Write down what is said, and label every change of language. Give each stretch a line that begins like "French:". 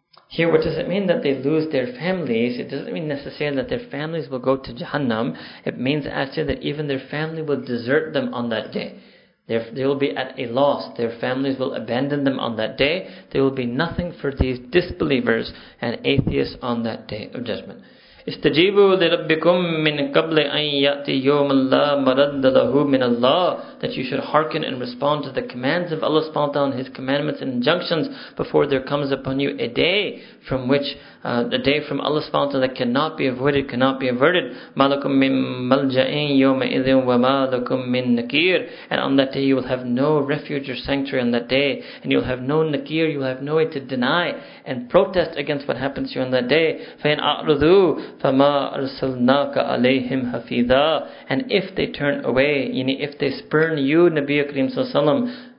English: Here, what does it mean that they lose their families? It doesn't mean necessarily that their families will go to Jahannam. It means actually that even their family will desert them on that day. They will be at a loss. Their families will abandon them on that day. There will be nothing for these disbelievers and atheists on that day of judgment.
Arabic: استجيبوا لربكم من قبل أن يأتي يوم لا مرد له من الله.
English: That you should hearken and respond to the commands of Allah subhanahu wa ta'ala and His commandments and injunctions before there comes upon you a day from which a day from Allah subhanahu wa ta'ala that cannot be avoided, cannot be averted.
Arabic: مالكم من ملجئين يومئذ وما لكم من نكير.
English: And on that day you will have no refuge or sanctuary on that day, and you will have no nakir, you will have no way to deny and protest against what happens to you on that day.
Arabic: فإن أعرضوا فَمَا أَرْسَلْنَاكَ عَلَيْهِمْ حَفِيظًا.
English: And if they turn away, if they spurn you, Nabi Akram Sallallahu Alaihi Wasallam,